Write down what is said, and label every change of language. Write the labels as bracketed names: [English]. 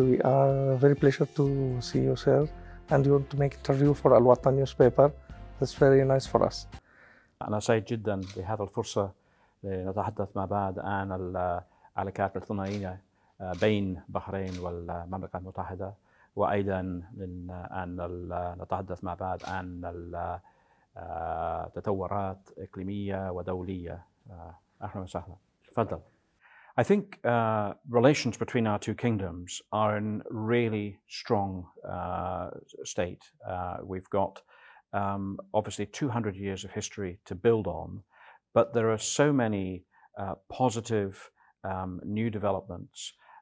[English] We are very pleasure to see you, sir. And you want to make interview for الوطن newspaper. That's very nice for us. [Arabic] أنا سعيد جدا بهذا الفرصة لنتحدث مع بعض عن العلاقات الثنائية بين بحرين والمملكة المتحدة. وأيضا من أن نتحدث مع بعض عن التطورات إقليمية ودولية. أهلا وسهلا. تفضل. [English] I think relations between our two kingdoms are in really strong state. We've got obviously 200 years of history to build on, but there are so many positive new developments